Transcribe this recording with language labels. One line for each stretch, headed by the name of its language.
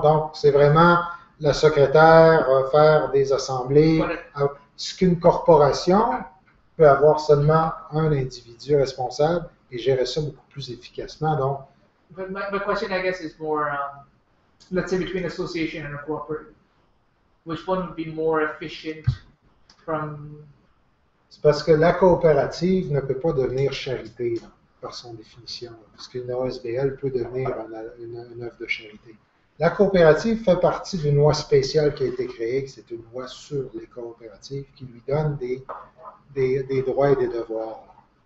French: Donc, c'est vraiment la secrétaire va faire des assemblées. Ce qu'une corporation peut avoir seulement un individu responsable et gérer ça beaucoup plus efficacement. Donc,
English: but my question, I guess, is more, let's say, between association and a corporate. Which one would be more efficient from...
French: C'est parce que la coopérative ne peut pas devenir charité, là, par son définition. Parce qu'une OSBL peut devenir une œuvre de charité. La coopérative fait partie d'une loi spéciale qui a été créée, c'est une loi sur les coopératives qui lui donne des droits et des devoirs.